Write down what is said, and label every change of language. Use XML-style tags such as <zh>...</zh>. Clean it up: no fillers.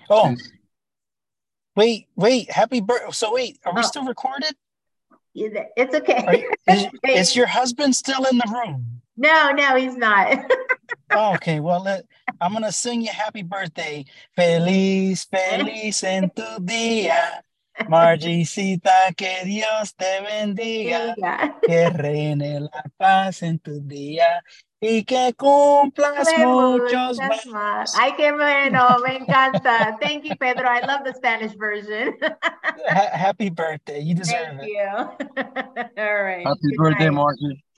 <en>Oh, wait. Happy birthday. So wait, are we still recorded? It's okay. Is your husband still in the room? No, he's not. Oh, okay, well, I'm going to sing you happy birthday.</en> <es>Feliz, feliz en tu día. Margisita, que Dios te bendiga, que reine la paz en tu día, y que cumplas muchos más. Ay, qué bueno, me encanta.</es> <en>Thank you, Pedro. I love the Spanish version. Happy birthday. You deserve Thank it. Thank you. All right. Happy Good birthday, night. Margie.</en>